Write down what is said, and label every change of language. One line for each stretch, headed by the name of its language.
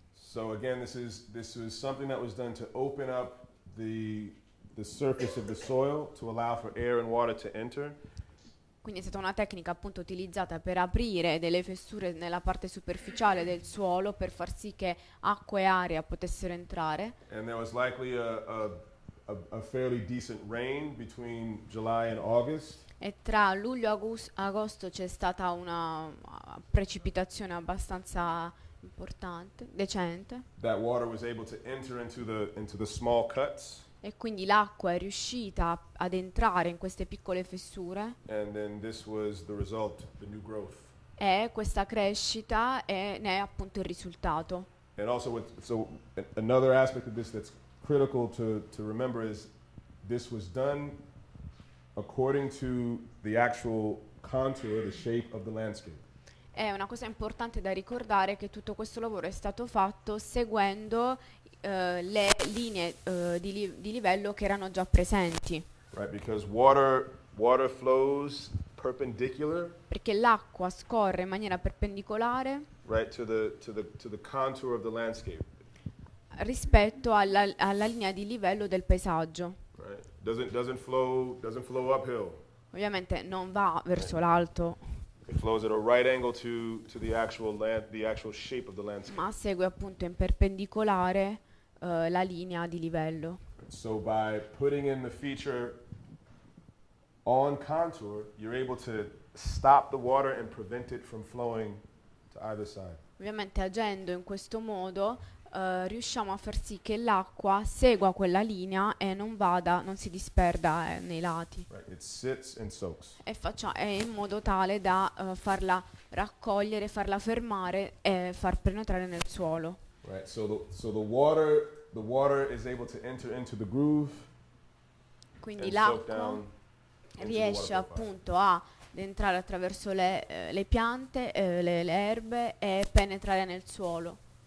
English: So again, this was something that was done to open up the surface of the soil to allow for air and water to enter.
Italian: Quindi è stata una tecnica appunto utilizzata per aprire delle fessure nella parte superficiale del suolo per far sì che acqua e aria potessero entrare.
English: And there was likely a fairly decent rain between July and August.
Italian: E tra luglio e agosto c'è stata una precipitazione abbastanza importante, decente.
English: That water was able to enter into the small cuts.
Italian: E quindi l'acqua è riuscita ad entrare in queste piccole fessure.
English: And then this was the result, the new growth.
Italian: E questa crescita e ne è appunto il risultato.
English: And also so another aspect of this that's critical to remember is this was done according to the actual contour, the shape of the landscape.
Italian: È una cosa importante da ricordare che tutto questo lavoro è stato fatto seguendo le linee di livello che erano già presenti.
English: Right, because water flows perpendicular.
Italian: Perché l'acqua scorre in maniera perpendicolare.
English: Right, to the contour of the landscape.
Italian: Rispetto alla linea di livello del paesaggio.
English: Right. Doesn't flow uphill.
Italian: Ovviamente non va verso l'alto.
English: It flows at a right angle to the actual land, the actual shape of the landscape.
Italian: Ma segue appunto in perpendicolare la linea di livello.
English: So by putting in the feature on contour, you're able to stop the water and prevent it from flowing to either side.
Italian: Ovviamente agendo in questo modo riusciamo a far sì che l'acqua segua quella linea e non vada, non si disperda nei lati.
English: Right. It sits and soaks.
Italian: E facciamo in modo tale da farla raccogliere, farla fermare e far penetrare nel suolo.
English: Right. So the water is able to enter into the groove.
Italian: Quindi l'acqua riesce appunto a entrare attraverso le piante, le erbe e penetrare nel suolo.